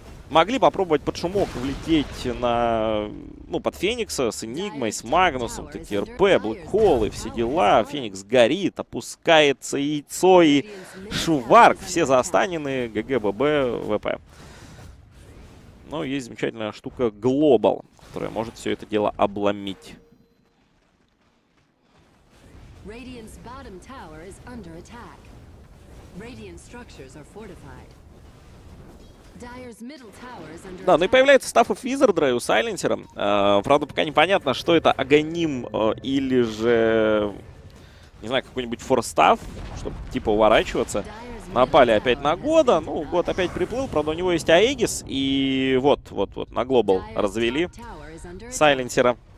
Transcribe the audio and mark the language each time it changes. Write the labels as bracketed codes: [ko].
[ru] могли попробовать под шумок влететь на, ну, под Феникса с Энигмой, с Магнусом, такие РП, Блэкхол и все дела. Феникс горит, опускается яйцо и Шуварк, все застанены, ГГ, ББ, ВП. Но есть замечательная штука Глобал, которая может все это дело обломить. [en] Radiant's bottom tower is under attack. Radiant structures are fortified. Dire's middle tower is under attack. [ru] Да, ну и появляется Staff of Wizardry у Сайленсера. Правда, пока непонятно, что это, Аганим или же, не знаю, какой-нибудь Форстаф, чтобы типа уворачиваться. Напали опять на Года. Ну, Год опять приплыл, правда, у него есть Аегис. И вот-вот-вот, на Глобал развели Сайленсера.